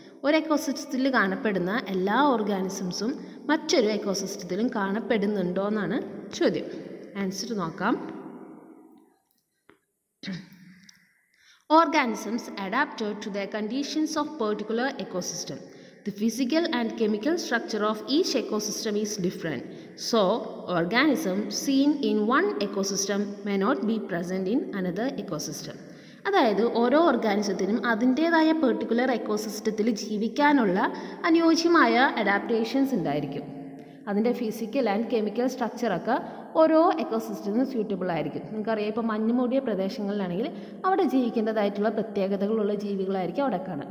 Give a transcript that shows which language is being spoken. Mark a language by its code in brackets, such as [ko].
[ml] ഒരു എക്കോസിസ്റ്റത്തിൽ കാണപ്പെടുന്ന എല്ലാ ഓർഗാനിസംസും മറ്റൊരു എക്കോസിസ്റ്റത്തിലും കാണപ്പെടുന്നുണ്ടോ എന്നാണ് ചോദ്യം. ആൻസർ നോക്കാം. [en] Organisms adapted to the conditions of particular ecosystem. The physical and chemical structure of each ecosystem is different. So, organism seen in one ecosystem may not be present in another ecosystem. [ml] അതായത് ഓരോ ഓർഗാനിസത്തിനും അതിൻ്റേതായ particular എക്കോസിസ്റ്റത്തിൽ ജീവിക്കാനുള്ള അനുയോജ്യമായ adaptations ഉണ്ടായിരിക്കും. അതിൻ്റെ physical and chemical സ്ട്രക്ചറൊക്കെ ഓരോ എക്കോസിസ്റ്റത്തിനും suitable ആയിരിക്കും. നിങ്ങൾക്കറിയാം, ഇപ്പോൾ മഞ്ഞുമൂടിയ പ്രദേശങ്ങളിലാണെങ്കിൽ അവിടെ ജീവിക്കേണ്ടതായിട്ടുള്ള പ്രത്യേകതകളുള്ള ജീവികളായിരിക്കും അവിടെ കാണുക.